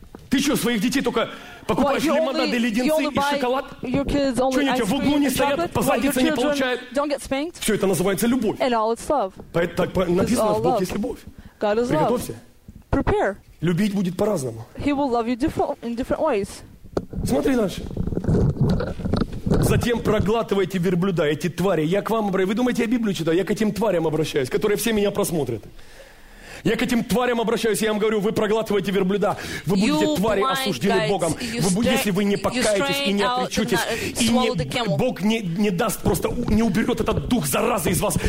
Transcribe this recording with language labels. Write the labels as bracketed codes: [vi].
[ru] Ты что, своих детей только покупаешь лимонады, леденцы и шоколад? Что они тебя в углу не стоят, по заднице не получают? Все это называется любовь. Так написано, что Бог есть любовь. Приготовься. [en] Prepare. [ru] Любить будет по-разному. [en] He will love you in different ways. [ru] Смотри дальше. Затем проглатывайте верблюда, эти твари. Я к вам обращаюсь. Вы думаете, я Библию читаю? Я к этим тварям обращаюсь, которые все меня просмотрят. Я к этим тварям обращаюсь, я вам говорю, вы проглатываете верблюда. Вы будете твари, осуждены Богом. Если вы не покаетесь и не отречетесь, и не, Бог не даст, просто не уберет этот дух заразы из вас.